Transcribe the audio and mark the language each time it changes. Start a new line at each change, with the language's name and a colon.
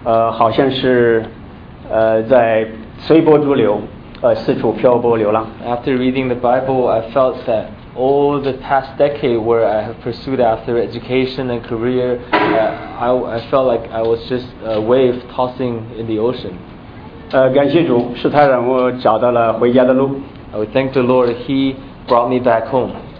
Chinese: 好像是在随波逐流，四处漂泊流浪。
English: After reading the Bible, I felt that all the past decade where I have pursued after education and career, I felt like I was just a wave tossing in the ocean.
Chinese: 感谢主，是他让我找到了回家的路。
English: I would thank the Lord, He brought me back home.